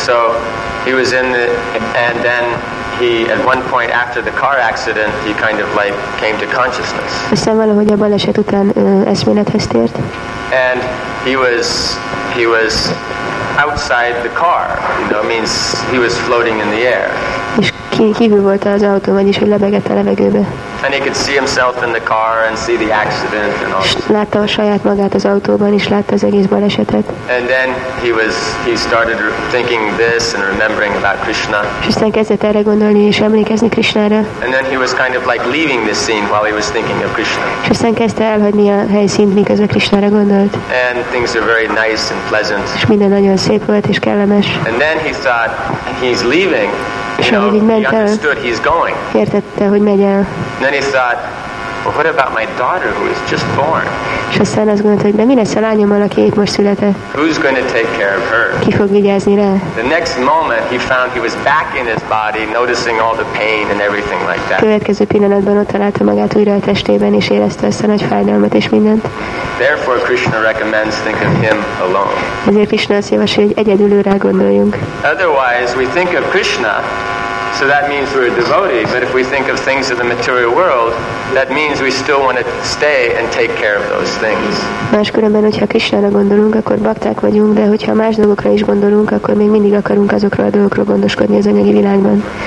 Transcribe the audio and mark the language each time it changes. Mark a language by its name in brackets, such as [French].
[English] So he was in the, and then he at one point after the car accident he kind of like came to consciousness. [Hungarian] Aztán valahogy a baleset után eszmélethez tért. [English] And he was outside the car, you know, means he was floating in the air. [Hungarian] És kívül volt az autó, vagyis hogy lebegett a levegőbe. [English] And he could see himself in the car and see the accident and all. [Hungarian] Látta a saját magát az autóban, és látta az egész balesetet. [English] And then he started thinking this and remembering about Krishna. [Hungarian] És aztán kezdett erre gondolni és emlékezni Krishnára. [English] And then he was kind of like leaving the scene while he was thinking of Krishna. [Hungarian] És aztán kezdte elhagyni a helyszínt, miközben Krishnára gondolt. [English] And things are very nice and pleasant. [Hungarian] És minden nagyon szép volt és kellemes. [English] And then he thought he's leaving. You know, he understood he's going. [Hungarian] Értette, hogy megy el. [English] Then he thought, well, what about my daughter who is just born? [Hungarian] És aztán azt gondolta, hogy de mi lesz a lányommal, aki épp most született? [English] Who's going to take care of her? [Hungarian] Ki fog vigyázni rá? [English] The next moment he found he was back in his body, noticing all the pain and everything like that. [Hungarian] Következő pillanatban ott találta magát újra a testében, és érezte ezt a nagy fájdalmat és mindent. [English] Therefore Krishna recommends think of him alone. [Hungarian] Ezért Krishna azt javasolja, hogy egyedül rá gondoljunk. [English] Otherwise we think of Krishna, so that means we're a devotee, but if we think of things of the material world, that means we still want to stay and take care of those things. [Hungarian] Máskülönben, hogyha Krishnára gondolunk, akkor bakták vagyunk, de hogyha más dolgokra is gondolunk, akkor még mindig akarunk azokról a dolgokról gondoskodni az anyagi világban.